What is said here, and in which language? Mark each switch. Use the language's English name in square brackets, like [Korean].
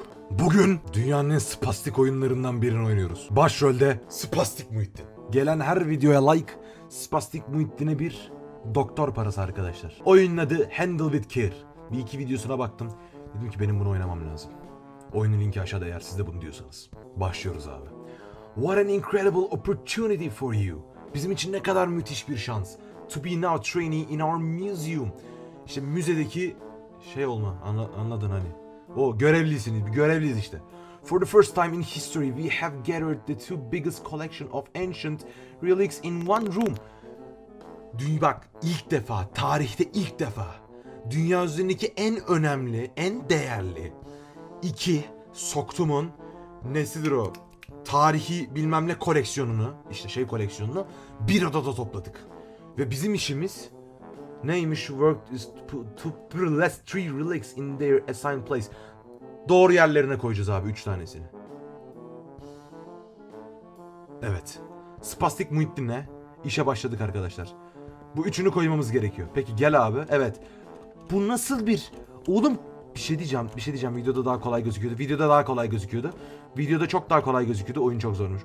[Turkish] Bugün dünyanın en spastik oyunlarından birini oynuyoruz. Başrolde Spastik Muhittin. Gelen her videoya like, Spastik Muhittin'e bir doktor parası arkadaşlar. Oyunun adı Handle With Care. Bir iki videosuna baktım. Dedim ki benim bunu oynamam lazım. Oyunun linki aşağıda eğer siz de bunu diyorsanız. Başlıyoruz abi. [English] What an incredible opportunity for you. [Turkish] Bizim için ne kadar müthiş bir şans. [English] To be now trainee in our museum. [Turkish] İşte müzedeki şey olma, anladın hani. O görevlisiniz, bir görevliyiz işte. [English] For the first time in history we have gathered the two biggest collection of ancient relics in one room. [Turkish] Dünya bak, ilk defa, tarihte ilk defa. Dünya üzerindeki en önemli, en değerli iki soktumun nesidir o? Tarihi bilmem ne koleksiyonunu, işte şey koleksiyonunu bir odada topladık. Ve bizim işimiz neymiş? [English] Work is to place three relics in their assigned place. [Turkish] Doğru yerlerine koyacağız abi 3 tanesini. Evet. Spastik Muhittin'le işe başladık arkadaşlar. Bu üçünü koymamız gerekiyor. Peki gel abi. Evet. Bu nasıl bir... Oğlum bir şey diyeceğim. Bir şey diyeceğim. Videoda daha kolay gözüküyordu. Videoda çok daha kolay gözüküyordu. Oyun çok zormuş.